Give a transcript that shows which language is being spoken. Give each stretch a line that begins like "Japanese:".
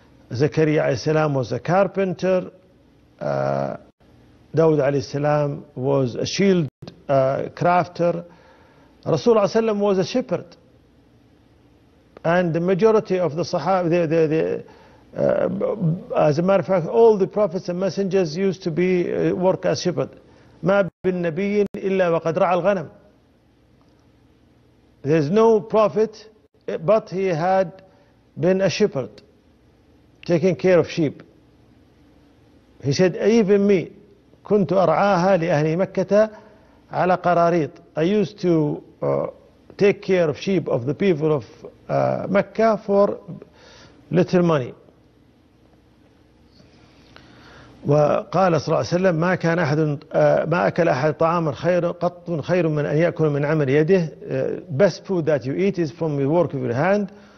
English: Zakaria alayhi salam was a carpenter. Dawud alayhi salam was a shield crafter. Rasul alayhi salam was a shepherd. And the majority of the Sahaba, as a matter of fact, all the prophets and messengers used to be work as shepherd.
Arabic: ما بالنبي إلا وقد رعى الغنم.
English: There's no prophet, but he had been a shepherd, taking care of sheep. He said, even me,
Arabic: كنت أرعاها لأهل مكة على قراريط.
English: I used to take care of sheep of the people of Mecca for little money.
Arabic: وقال صلى الله عليه وسلم ما كان أحد ما أكل أحد طعاما خير قط خير من أن يأكل من عمل يده.
English: Best food that you eat is from the work of your hand.